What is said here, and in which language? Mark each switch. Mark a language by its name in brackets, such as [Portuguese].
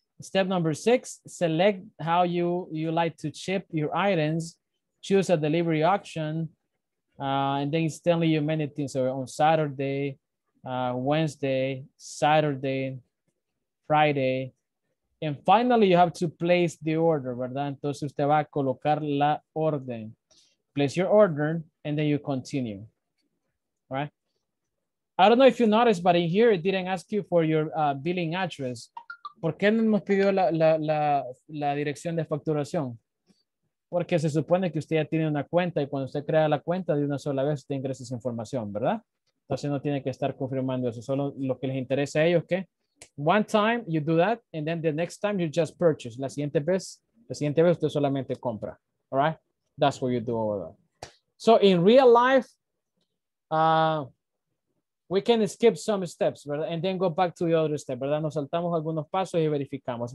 [English] Step number six, select how you like to ship your items, choose a delivery option, and then it's telling you many things so on Saturday, Wednesday, Saturday, Friday. And finally, you have to place the order, ¿verdad? [Spanish] Entonces, usted va a colocar la orden. [English] Place your order, and then you continue, right? I don't know if you noticed, but in here, it didn't ask you for your billing address. [Spanish] ¿Por qué no nos pidió la dirección de facturación? Porque se supone que usted ya tiene una cuenta, y cuando usted crea la cuenta de una sola vez, usted ingresa esa información, ¿verdad? Entonces, no tiene que estar confirmando eso. Solo lo que les interesa a ellos, ¿qué? [English] One time you do that, and then the next time you just purchase. [Spanish] La siguiente vez usted solamente compra. [English] All right, that's what you do over there. So in real life, we can skip some steps, ¿verdad? And then go back to the other step, ¿verdad? [Spanish] Nos saltamos algunos pasos y verificamos.